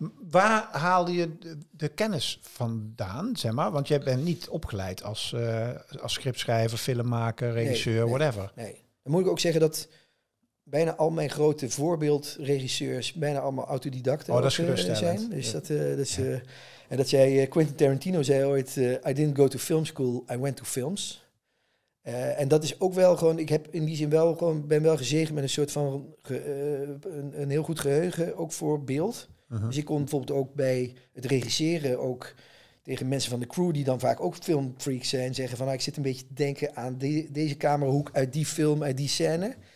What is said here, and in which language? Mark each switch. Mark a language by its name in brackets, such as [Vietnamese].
[Dutch] Waar haalde je de kennis vandaan, zeg maar? Want jij bent niet opgeleid als scriptschrijver, filmmaker, regisseur, nee, whatever. Nee. Dan moet ik ook zeggen dat bijna al mijn grote voorbeeldregisseurs bijna allemaal autodidacten zijn. Oh, dat is geruststellend. Dus ja. En dat zei Quentin Tarantino zei ooit, [English] I didn't go to film school, I went to films. [Dutch] En dat is ook wel gewoon, ik heb in die zin wel gewoon, ben wel gezegend met een soort van een heel goed geheugen, ook voor beeld. Uh-huh. Dus ik kon bijvoorbeeld ook bij het regisseren ook tegen mensen van de crew die dan vaak ook filmfreaks zijn, zeggen van nou, ik zit een beetje te denken aan deze camerahoek uit die film, uit die scène.